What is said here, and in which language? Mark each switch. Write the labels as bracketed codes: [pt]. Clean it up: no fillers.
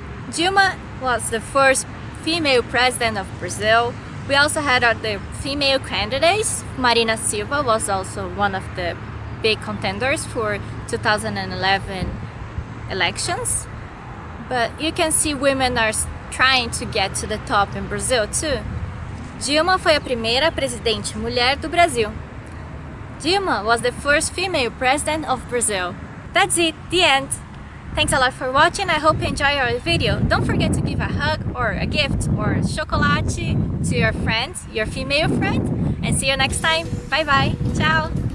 [en] Dilma was the first female president of Brazil. We also had the female candidates. Marina Silva was also one of the big contenders for 2011 elections. But you can see women are trying to get to the top in Brazil too. [pt] Dilma foi a primeira presidente mulher do Brasil. [en] Dilma was the first female president of Brazil. That's it, the end. Thanks a lot for watching. I hope you enjoy our video. Don't forget to give a hug or a gift or chocolate to your friend, your female friend. And see you next time. Bye bye. Ciao.